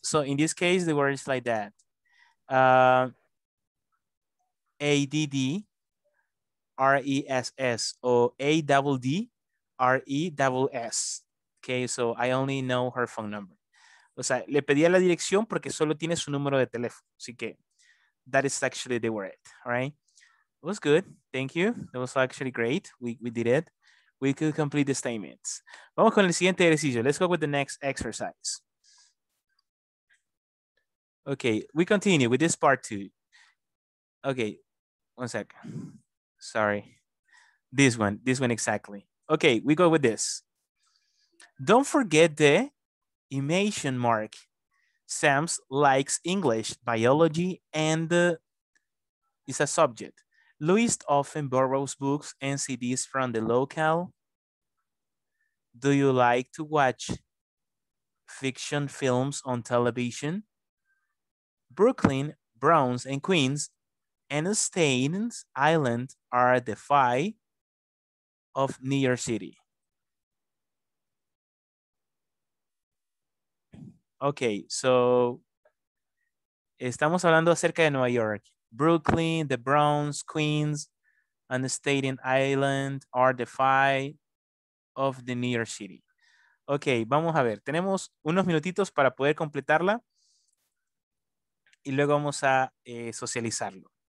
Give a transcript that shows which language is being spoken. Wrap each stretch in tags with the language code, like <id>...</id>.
<en>So, in this case, the word is like that. A-D-D. R-E-S-S or A-D-D-R-E-S-S. Okay, so I only know her phone number.</en> <es>O sea, le pedí la dirección porque solo tiene su número de teléfono. Así que</es> <en>that is actually the word. All right. It was good. Thank you. It was actually great. We did it. We could complete the statements.</en> <es>Vamos con el siguiente ejercicio.</es> <en>Let's go with the next exercise. Okay, we continue with this part two. Okay, one sec. Sorry, this one exactly. Okay, we go with this. Don't forget the imation mark. Sam likes English, biology, and is a subject. Luis often borrows books and CDs from the local. Do you like to watch fiction films on television? Brooklyn, Bronx, and Queens and Staten's Island are the five of New York City.</en> <es>Okay, so estamos hablando acerca de Nueva York.</es> <en>Brooklyn, the Bronx, Queens, and Staten Island are the five of the New York City.</en> <es>Okay, vamos a ver. Tenemos unos minutitos para poder completarla y luego vamos a socializarlo.</es>